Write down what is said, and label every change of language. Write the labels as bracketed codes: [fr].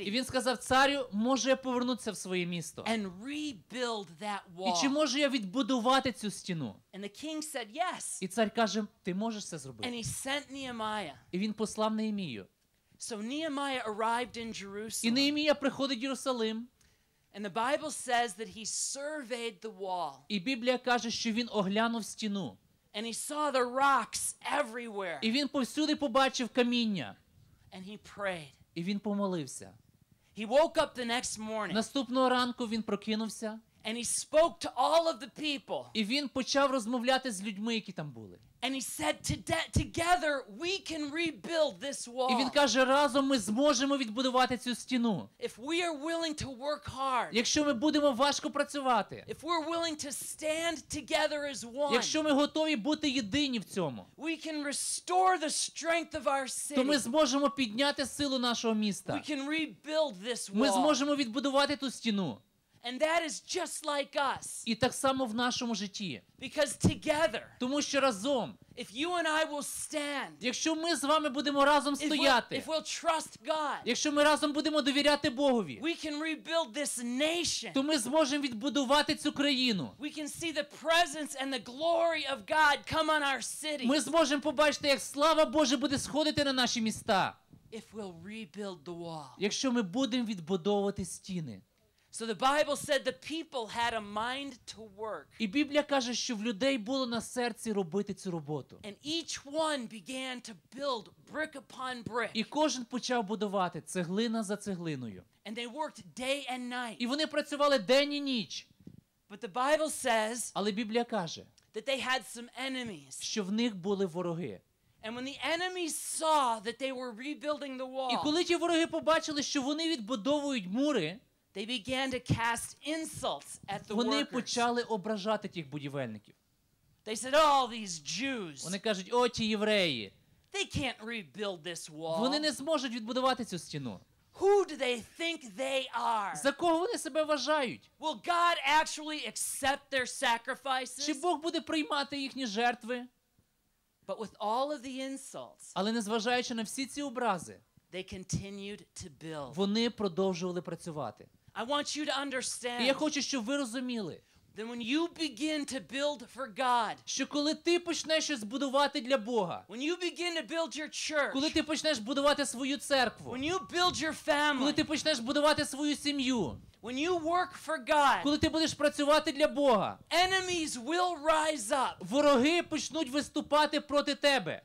[uk] І він сказав царю: "Можу я повернутися в своє місто?" [en] "And rebuild that wall." [uk] І чи можу я відбудувати цю стіну? [en] And the king said, "Yes." [uk] І цар каже: "Ти можеш це зробити." [en] And he sent Nehemiah. [uk] І він послав Неємію. [en] So Nehemiah arrived in Jerusalem. [uk] І Неємія приходить в Єрусалим. [en] And the Bible says that he surveyed the wall. [uk] І Біблія каже, що він оглянув стіну. [en] And he saw the rocks everywhere. [uk] І він повсюди побачив каміння. [en] And he prayed. [uk] І він помолився. [en] He woke up the next morning. [uk] Наступного ранку він прокинувся. [en] And he spoke to all of the people. [uk] І він почав розмовляти з людьми, які там були. [en] And he said, "Together we can rebuild this wall." [uk] І він каже: "Разом ми зможемо відбудувати цю стіну." [en] If we are willing to work hard. [uk] Якщо ми будемо важко працювати. [en] If we're willing to stand together as one. [uk] Якщо ми готові бути єдині в цьому. [en] We can restore the strength of our city. [uk] То ми зможемо підняти силу нашого міста. [en] We can rebuild this wall. [uk] Ми зможемо відбудувати ту стіну. [en] And that is just like us. [uk] І так само в нашому житті. [en] Because together. [uk] Тому що разом. [en] If you and I will stand. [uk] Якщо ми з вами будемо разом стояти. [en] If we'll trust God. [uk] Якщо ми разом будемо довіряти Богові. [en] We can rebuild this nation. [uk] То ми зможемо відбудувати цю країну. [en] We can see the presence and the glory of God come on our city. [uk] Ми зможемо побачити, як слава Божа буде сходити на наші міста. [en] If we'll rebuild the wall. [uk] Якщо ми будемо відбудовувати стіни. [en] So the Bible said the people had a mind to work. [uk] І Біблія каже, що в людей було на серці робити цю роботу. [en] And each one began to build brick upon brick. [uk] І кожен почав будувати цеглина за цеглиною. [en] And they worked day and night. [uk] І вони працювали день і ніч. [en] But the Bible says. [uk] Але Біблія каже. [en] That they had some enemies. [uk] Що в них були вороги. [en] And when the enemies saw that they were rebuilding the wall. [uk] І коли ті вороги побачили, що вони відбудовують мури. [en] They began to cast insults at the [uk] Вони почали ображати тих будівельників. [en] They said, "All these Jews." [uk] Вони кажуть: "О, ті євреї." [en] They can't rebuild this wall. [uk] Вони не зможуть відбудувати цю стіну. [en] Who do they think they are? [uk] За кого вони себе вважають? [en] Will God actually accept their sacrifices? [uk] Чи Бог буде приймати їхні жертви? [en] But with all of the insults. [uk] Але незважаючи на всі ці образи. [en] They continued to build. [uk] Вони продовжували працювати. [en] I want you to understand. [uk] І я хочу, щоб ви розуміли. [en] Then when you begin to build for God. [uk] Що коли ти почнеш щось будувати для Бога. [en] When you begin to build your church. [uk] Коли ти почнеш будувати свою церкву. [en] When you build your family. [uk] Коли ти почнеш будувати свою сім'ю. [en] When you work for God. [uk] Коли ти будеш працювати для Бога. [en] Enemies will rise up. [uk] Вороги почнуть виступати проти тебе.